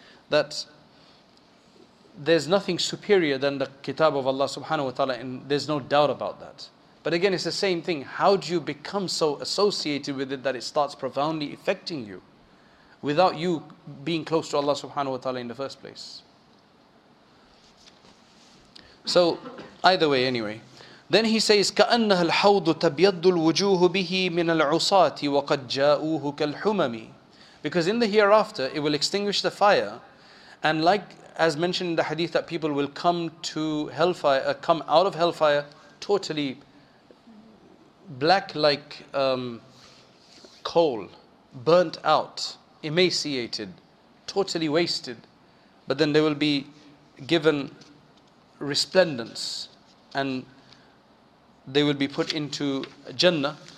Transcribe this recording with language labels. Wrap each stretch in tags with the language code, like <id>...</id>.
<en>That there's nothing superior than the kitab of Allah subhanahu wa ta'ala, and there's no doubt about that. But again, it's the same thing. How do you become so associated with it that it starts profoundly affecting you without you being close to Allah subhanahu wa ta'ala in the first place? So, either way, anyway.</en> <ar>Then he says, كَأَنَّهَا الْحَوْضُ تَبْيَضُّ الْوُجُوهُ بِهِ مِنَ الْعُصَاتِ وَقَدْ جَاءُوهُ كَالْحُمَمِ.</ar> <en>Because in the hereafter, it will extinguish the fire. And like as mentioned in the hadith, that people will come to hellfire, come out of hellfire totally black like coal, burnt out, emaciated, totally wasted, but then they will be given resplendence and they will be put into Jannah.</en>